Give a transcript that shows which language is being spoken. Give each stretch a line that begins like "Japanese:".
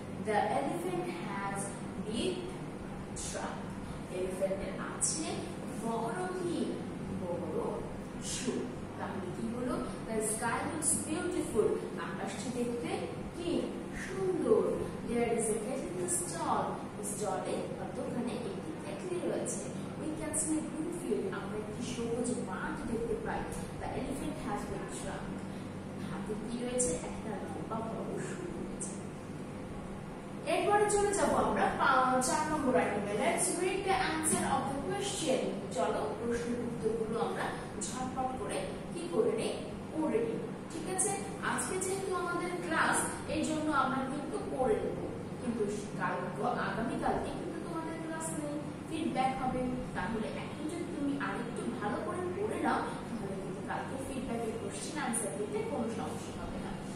English: The elephant has big trunk.
Bangla: Elephant এর আছে বড় কি বড় shoe. তাহলে কি হলো?
English: The sky looks beautiful.
Bangla: আকাশটি দেখতে কি সুন্দর.
English: There is a cat in the stall.
Bangla: Stall এ অতখানে একটি cat রয়েছে.
English: We can see a green field.
Bangla: আমরা একটি সবুজ মাঠ দেখতে পাই.
English: The elephant has big trunk.
Bangla: হাতে কি রয়েছে? একটা লম্বা বড় shoe. এরপরে চলে যাবো আমরা চার নম্বর আইটেমে।
English: Let's read the answer of the question.
Bangla: চলো প্রশ্নের উত্তরগুলো আমরা ঝটপট করে কি করে নেই পড়ে নেই, ঠিক আছে? আজকে যেহেতু আমাদের ক্লাস, এই জন্য আমরা কিন্তু পড়ে নেব, কিন্তু কাল আগামীকালকে কিন্তু তোমাদের ক্লাস নেই, ফিডব্যাক হবে। তাহলে এখন যদি তুমি আরেকটু ভালো করে পড়ে নাও, তাহলে কিন্তু কালকে ফিডব্যাকের কোশ্চেন আনসার দিতে কোনো সমস্যা হবে না।